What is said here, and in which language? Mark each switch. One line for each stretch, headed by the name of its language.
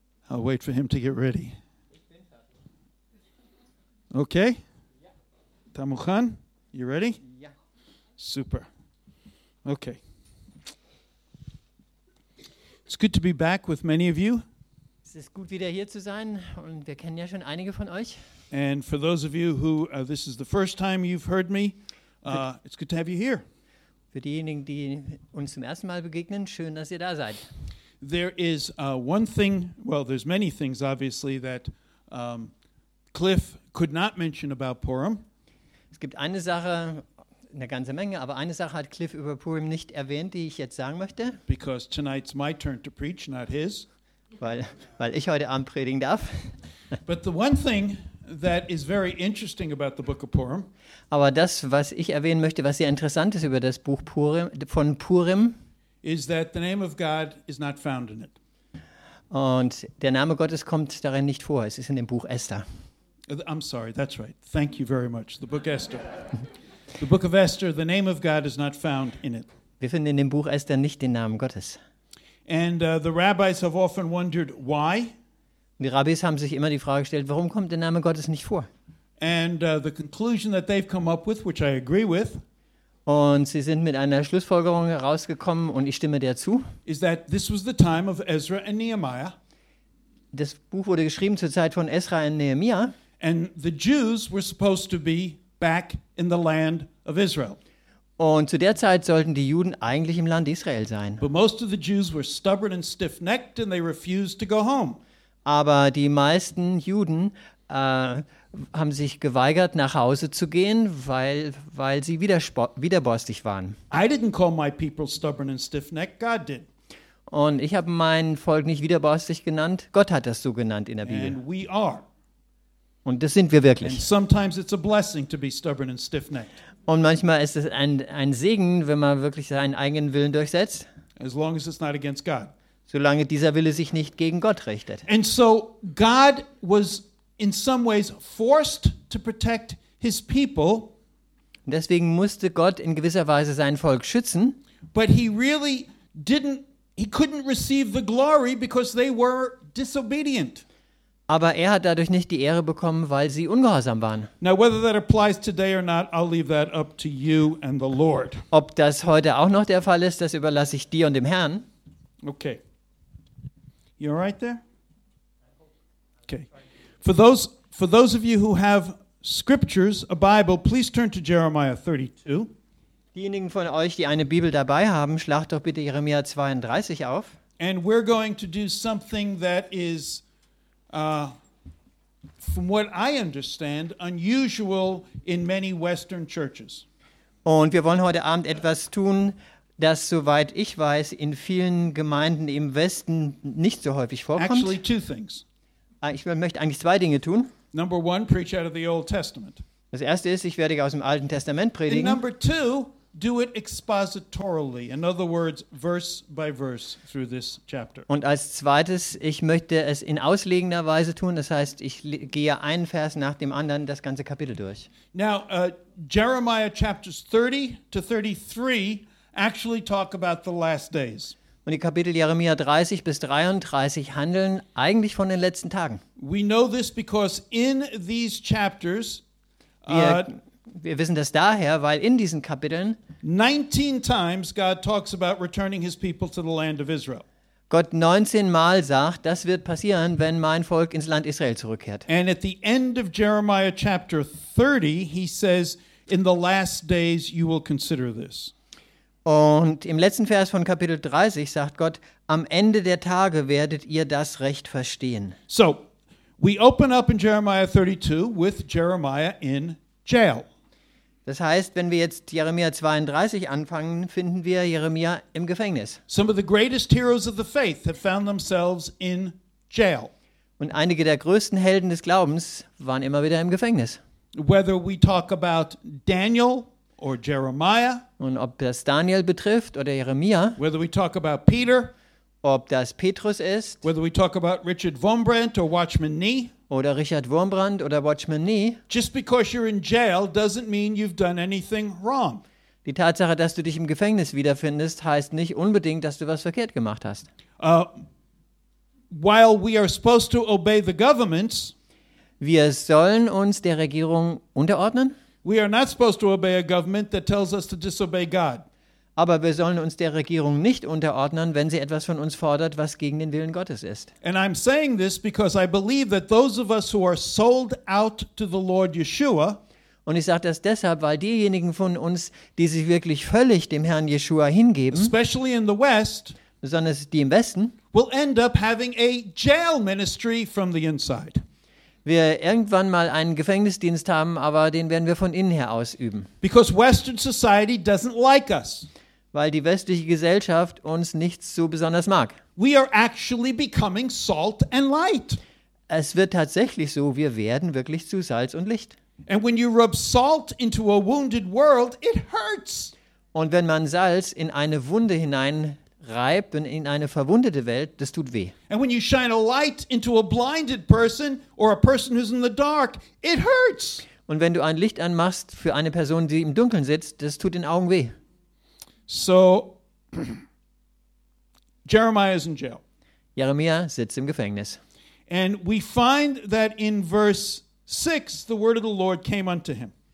English: I'll wait for him to get ready. Okay? Tamuchan, you ready? Yeah. Super. Okay. It's good to be back with many of you.
German: Es ist gut, wieder hier zu sein, und wir kennen ja schon einige von euch.
English: And for those of you who this is the first time you've heard me, it's good to have you here.
German: Für diejenigen, die uns zum ersten Mal begegnen, schön, dass ihr da seid.
English: There is one thing, well, there's many things, obviously, that Cliff could not mention about Purim.
German: Es gibt eine Sache, eine ganze Menge, aber eine Sache hat Cliff über Purim nicht erwähnt, die ich jetzt sagen möchte.
English: Because tonight's my turn to preach, not his.
German: Weil ich heute Abend predigen darf.
English: But the one thing that is very interesting about the book of Purim.
German: Aber das, was ich erwähnen möchte, was sehr interessant ist über das Buch Purim, von Purim,
English: is that the name of God is not found in it.
German: Und der Name Gottes kommt darin nicht vor. Es ist in dem Buch Esther.
English: I'm sorry, that's right. Thank you very much. The book Esther. The book of Esther, the name of God is not found in it.
German: Wir finden in dem Buch Esther nicht den Namen Gottes.
English: And the rabbis have often wondered why.
German: Die Rabbis haben sich immer die Frage gestellt, warum kommt der Name Gottes nicht vor?
English: And the conclusion that they've come up with, which I agree with,
German: und sie sind mit einer Schlussfolgerung herausgekommen, und ich stimme der zu,
English: is that this was the time of Ezra and Nehemiah.
German: Das Buch wurde geschrieben zur Zeit von Ezra und Nehemiah.
English: And the Jews were supposed to be back in the land of Israel.
German: Und zu der Zeit sollten die Juden eigentlich im Land Israel sein.
English: But most of the Jews were stubborn and stiff-necked, and they refused to go home.
German: Aber die meisten Juden haben sich geweigert, nach Hause zu gehen, weil sie widerborstig waren.
English: I didn't call my people stubborn and stiff-necked. God did.
German: Und ich habe mein Volk nicht widerborstig genannt. Gott hat das so genannt in der Bibel.
English: And we are.
German: Und das sind wir wirklich.
English: And sometimes it's a blessing to be stubborn and stiff-necked.
German: Und manchmal ist es ein Segen, wenn man wirklich seinen eigenen Willen durchsetzt.
English: As long as it's not against God.
German: Solange dieser Wille sich nicht gegen Gott richtet.
English: And so God was in some ways forced to protect his people.
German: Deswegen musste Gott in gewisser Weise sein Volk schützen.
English: But he really didn't, he couldn't receive the glory because they were disobedient.
German: Aber er hat dadurch nicht die Ehre bekommen, weil sie ungehorsam waren.
English: Now whether that applies today or not, I'll leave that up to you and the Lord.
German: Ob das heute auch noch der Fall ist, das überlasse ich dir und dem Herrn.
English: Okay. You all right there? Okay. For those of you who have scriptures, a Bible, please turn to Jeremiah 32.
German: Diejenigen von euch, die eine Bibel dabei haben, schlagt doch bitte Jeremia 32 auf.
English: And we're going to do something that is from what I understand, unusual in many Western churches.
German: Und wir wollen heute Abend etwas tun, das, soweit ich weiß, in vielen Gemeinden im Westen nicht so häufig vorkommt.
English: Actually, two things.
German: Ich möchte eigentlich zwei Dinge tun.
English: Number one, preach out of the Old Testament.
German: Das erste ist, ich werde aus dem Alten Testament predigen.
English: And number two, do it expositorily. In other words, verse by verse through this chapter.
German: Und als zweites, ich möchte es in auslegender Weise tun. Das heißt, ich gehe einen Vers nach dem anderen das ganze Kapitel durch.
English: Now, Jeremiah chapters 30 to 33 actually talk about the last days.
German: Und die Kapitel Jeremia 30 bis 33 handeln eigentlich von den letzten Tagen.
English: We know this because in these chapters
German: wir wissen das daher, weil in diesen Kapiteln
English: 19 times God talks about returning his people to the land of Israel.
German: Gott 19 Mal sagt, das wird passieren, wenn mein Volk ins Land Israel zurückkehrt.
English: And at the end of Jeremiah chapter 30, he says, in the last days you will consider this.
German: Und im letzten Vers von Kapitel 30 sagt Gott, am Ende der Tage werdet ihr das recht verstehen.
English: So, we open up in Jeremiah 32 with Jeremiah in jail.
German: Das heißt, wenn wir jetzt Jeremia 32 anfangen, finden wir Jeremia im Gefängnis.
English: Some of the greatest heroes of the faith have found themselves in jail.
German: Und einige der größten Helden des Glaubens waren immer wieder im Gefängnis.
English: Whether we talk about Daniel or Jeremiah,
German: und ob das Daniel betrifft oder Jeremia,
English: whether we talk about Peter,
German: ob das Petrus ist,
English: whether we talk about Richard Wurmbrand or Watchman Nee,
German: oder Richard Wurmbrand oder Watchman Nee,
English: just because you're in jail doesn't mean you've done anything wrong.
German: Die Tatsache, dass du dich im Gefängnis wiederfindest, heißt nicht unbedingt, dass du was verkehrt gemacht hast.
English: While we are supposed to obey the governments,
German: wir sollen uns der Regierung unterordnen.
English: We are not supposed to obey a government that tells us to disobey God.
German: Aber wir sollen uns der Regierung nicht unterordnen, wenn sie etwas von uns fordert, was gegen den Willen Gottes ist.
English: And I'm saying this because I believe that those of us who are sold out to the Lord Yeshua.
German: Und ich sage das deshalb, weil diejenigen von uns, die sich wirklich völlig dem Herrn Yeshua hingeben,
English: especially in the West,
German: besonders die im Westen,
English: will end up having a jail ministry from the inside.
German: Wir irgendwann mal einen Gefängnisdienst haben, aber den werden wir von innen her ausüben.
English: Because Western society doesn't like us.
German: Weil die westliche Gesellschaft uns nicht so besonders mag.
English: We are actually becoming salt and light.
German: Es wird tatsächlich so, wir werden wirklich zu Salz und Licht.
English: And when you rub salt into a wounded world, it hurts.
German: Und wenn man Salz in eine Wunde hineinreibt und in eine verwundete Welt, das tut weh.
English: And when you shine a light into a blinded person or a person who's in the dark, it hurts.
German: Und wenn du ein Licht anmachst für eine Person, die im Dunkeln sitzt, das tut den Augen weh.
English: So Jeremiah is in jail.
German: Jeremia sitzt im Gefängnis.
English: And we find that in verse 6, the word of the Lord came unto him.